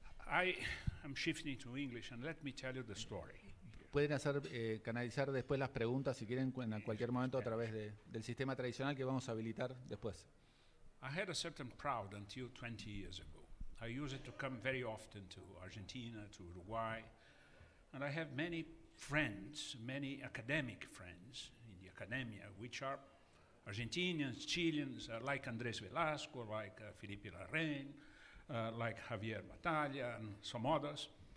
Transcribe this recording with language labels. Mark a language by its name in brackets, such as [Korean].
[English] I'm shifting to English, and let me tell you the story. [Spanish] Pueden hacer canalizar después las preguntas si quieren en cualquier momento a través del sistema tradicional que vamos a habilitar después. [English] I had a certain pride until 20 years ago. I used to come very often to Argentina, to Uruguay, and I have many friends, many academic friends in the academia, which are Argentinians, Chileans, like Andrés Velasco, like Felipe Larraín, like Javier Batalla, and some others.